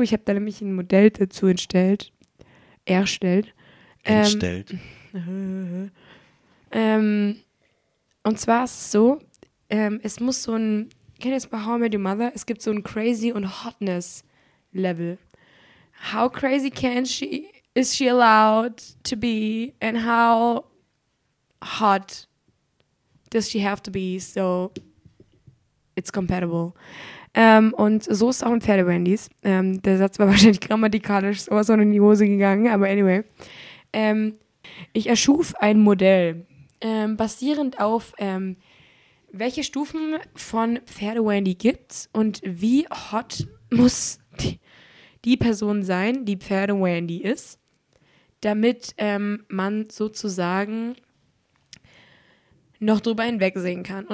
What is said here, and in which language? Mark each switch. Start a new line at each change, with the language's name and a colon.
German: Ich habe da nämlich ein Modell dazu entstellt. Erstellt. Entstellt. Und zwar ist es so, es muss so ein, kennt ihr das bei How I Met Your Mother? Es gibt so ein Crazy und Hotness Level.
English: How crazy can she, is she allowed to be and how hot does she have to be, so it's compatible.
German: Und so ist es auch mit Pferde-Wendys. Der Satz war wahrscheinlich grammatikalisch sowas von in die Hose gegangen, aber anyway. Ich erschuf ein Modell, basierend auf, welche Stufen von Pferde-Wendy gibt's und wie hot muss die Person sein, die Pferde-Wendy ist, damit man sozusagen noch drüber hinwegsehen kann.